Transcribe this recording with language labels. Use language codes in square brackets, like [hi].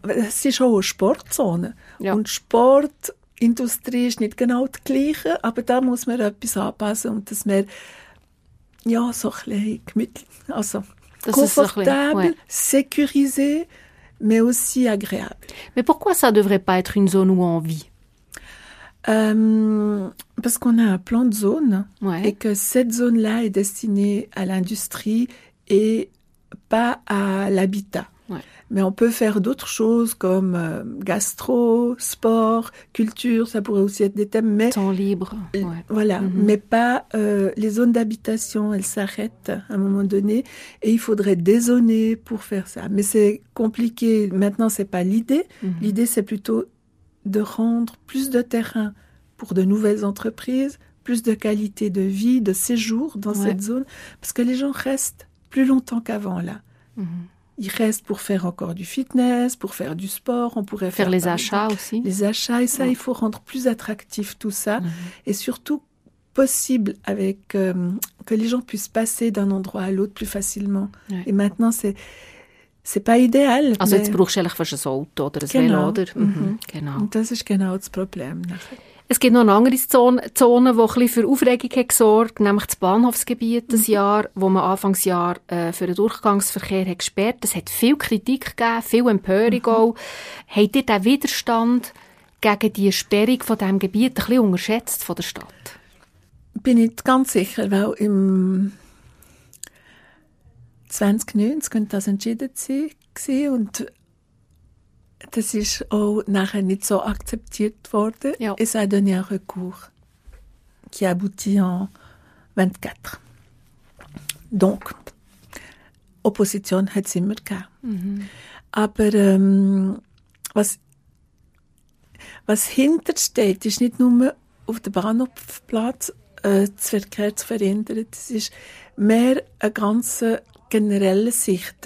[de] Es ist auch eine Sportzone. Ja. Und Sport, Industrie ist nicht genau das Gleiche, aber da muss man etwas anpassen und das mehr, ja, so ein bisschen gemütlich, also komfortabel, [fr] sécurisé, mais aussi agréable. Mais pourquoi ça ne devrait pas être une zone où on vit? Parce qu'on a un plan de zone, ouais, et que cette zone-là est destinée à l'industrie et pas à l'habitat. Mais on peut faire d'autres choses comme gastro, sport, culture, ça pourrait aussi être des thèmes. Mais temps libre, ouais. Voilà, mais pas les zones d'habitation, elles s'arrêtent à un moment donné et il faudrait dézoner pour faire ça. Mais c'est compliqué, maintenant c'est pas l'idée. L'idée c'est plutôt de rendre plus de terrain pour de nouvelles entreprises, plus de qualité de vie, de séjour dans cette zone. Parce que les gens restent plus longtemps qu'avant là. Il reste pour faire encore du fitness, pour faire du sport. On pourrait faire les achats aussi. Les achats, et ça, il faut rendre plus attractif tout ça. Et surtout, possible avec que les gens puissent passer d'un endroit à l'autre plus facilement. Ouais. Et maintenant, c'est pas idéal. [de] Also, jetzt brauchst du vielleicht ein Auto oder ein Velo, oder? Genau. Und das ist genau das Problem. Es gibt noch eine andere Zone, die für Aufregung gesorgt hat, nämlich das Bahnhofsgebiet das Jahr, wo man Anfangsjahr für den Durchgangsverkehr hat gesperrt hat. Es hat viel Kritik gegeben, viel Empörung auch. Habt ihr den Widerstand gegen die Sperrung von diesem Gebiet ein bisschen unterschätzt von der Stadt? Bin nicht ganz sicher, weil im 2019 könnte das entschieden sein und das ist auch nachher nicht so akzeptiert worden. Ja. [fr] Et ça a donné un recours qui a abouti en 24. [de] Donc, Opposition hat es immer gehabt. Aber was hintersteht, ist nicht nur auf dem Bahnhofplatz das Verkehr zu verändern. Das ist mehr eine ganz generelle Sicht.